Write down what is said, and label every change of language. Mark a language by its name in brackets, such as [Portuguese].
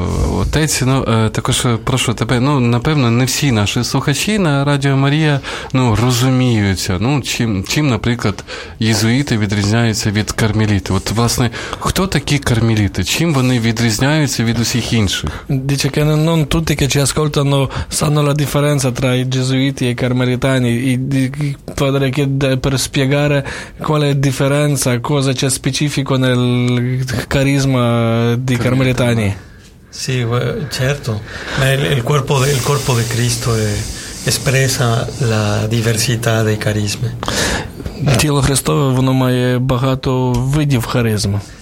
[Ukrainian] Отець, ну, також прошу тебе, ну, напевно, не всі наші слухачі на Радіо Марія, ну, розуміються, ну, чим, наприклад, єзуїти відрізняються від кармеліти. От, власне, хто такі кармеліти? Чим вони відрізняються від усіх інших? [Italian] Dice che non tutti che ci ascoltano sanno la differenza tra i gesuiti e i carmelitani, potrei chiedere per spiegare quale differenza, cosa c'è specifico nel carisma di carmelitani. Sì, certo, ma il corpo di Cristo espressa la diversità dei carismi. [Ukrainian] Il tielo Cristove, воно має багато видів харизма.